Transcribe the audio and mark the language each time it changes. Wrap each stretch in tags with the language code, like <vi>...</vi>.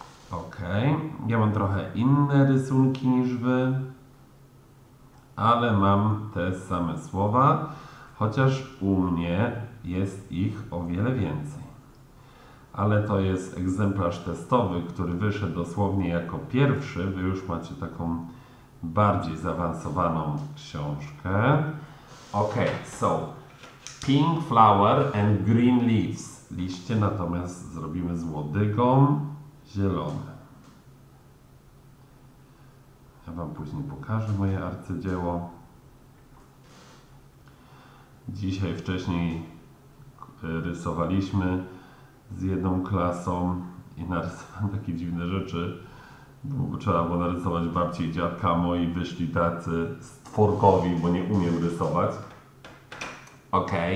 <pl>Ok, ja mam trochę inne rysunki niż wy, ale mam te same słowa, chociaż u mnie jest ich o wiele więcej. Ale to jest egzemplarz testowy, który wyszedł dosłownie jako pierwszy. Wy już macie taką bardziej zaawansowaną książkę.</pl> <en>Ok, so pink flower and green leaves.</en> <pl>Liście natomiast zrobimy z łodygą zielone. Ja wam później pokażę moje arcydzieło. Dzisiaj wcześniej rysowaliśmy z jedną klasą i narysowałem takie dziwne rzeczy, bo trzeba było narysować babci i dziadka, moi wyszli tacy stworkowi, bo nie umiem rysować. Ok.</pl>